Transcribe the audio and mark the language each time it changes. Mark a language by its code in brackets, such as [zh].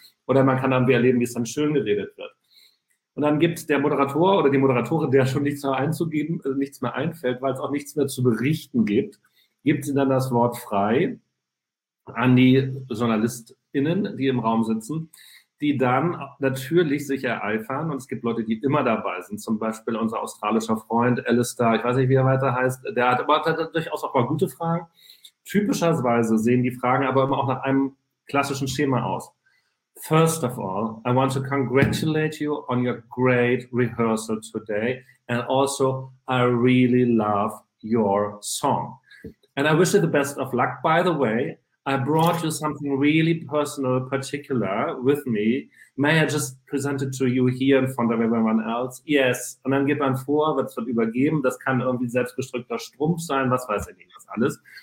[de] Oder man kann dann erleben, wie es dann schön geredet wird. Und dann gibt der Moderator oder die Moderatorin, der schon nichts mehr einzugeben, nichts mehr einfällt, weil es auch nichts mehr zu berichten gibt, gibt sie dann das Wort frei an die JournalistInnen, die im Raum sitzen, die dann natürlich sich ereifern. Und es gibt Leute, die immer dabei sind. Zum Beispiel unser australischer Freund Alistair, ich weiß nicht, wie er weiter heißt. Der hat aber durchaus auch mal gute Fragen. Typischerweise sehen die Fragen aber immer auch nach einem klassischen Schema aus. [en] First of all, I want to congratulate you on your great rehearsal today. And also, I really love your song. And I wish you the best of luck, by the way. I brought you something really personal, particular with me. May I just present it to you here in front of everyone else? Yes. [de] Und dann geht man vor, wird es dann übergeben. Das kann irgendwie selbstgestrickter Strumpf sein, was weiß ich nicht, was alles.